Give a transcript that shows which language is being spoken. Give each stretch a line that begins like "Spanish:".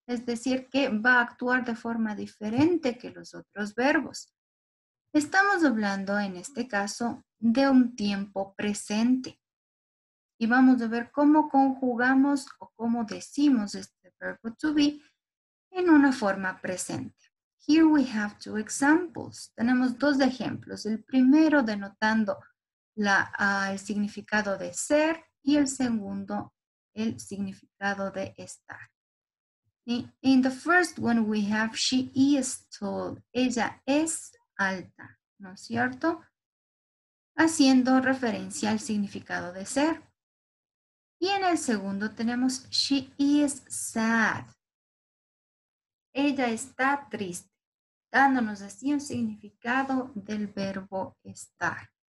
Spanish: Es decir, que va a actuar de forma diferente que los otros verbos. Estamos hablando en este caso de un tiempo presente. Y vamos a ver cómo conjugamos o cómo decimos este verbo to be en una forma presente.
English: Here we have two examples.
Spanish: Tenemos dos ejemplos. El primero denotando el significado de ser y el segundo el significado de estar.
English: In the first one we have she is tall.
Spanish: Ella es alta, ¿no es cierto? Haciendo referencia al significado de ser. Y en el segundo tenemos
English: she is sad.
Spanish: Ella está triste, dándonos así un significado del verbo estar.